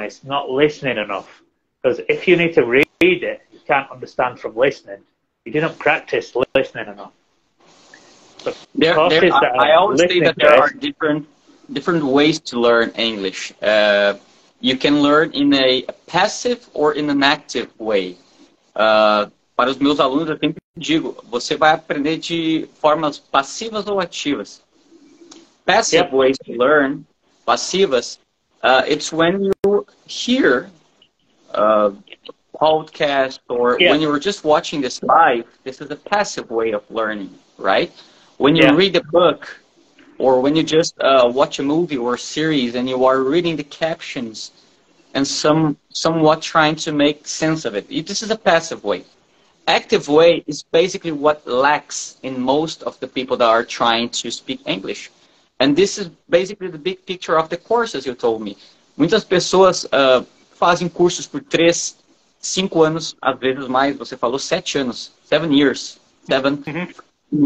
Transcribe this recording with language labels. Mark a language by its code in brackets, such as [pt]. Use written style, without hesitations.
[en] It's not listening enough. Because if you need to read it, you can't understand from listening. You didn't practice listening enough. I always say that there are different ways to learn English. You can learn in a passive or in an active way. [pt] Para os meus alunos, eu sempre digo, você vai aprender de formas passivas ou ativas. [en] Passive yep. ways to learn, passivas, it's when you hear a podcast or yep. when you were just watching this live. This is a passive way of learning, right? When you yeah. read a book, or when you just watch a movie or a series and you are reading the captions and somewhat trying to make sense of it. This is a passive way. Active way is basically what lacks in most of the people that are trying to speak English. And this is basically the big picture of the courses you told me. [pt] Muitas pessoas fazem cursos por 3, 5 anos, às vezes mais, você falou 7 anos, [en] 7 years, [pt] 7 mm-hmm.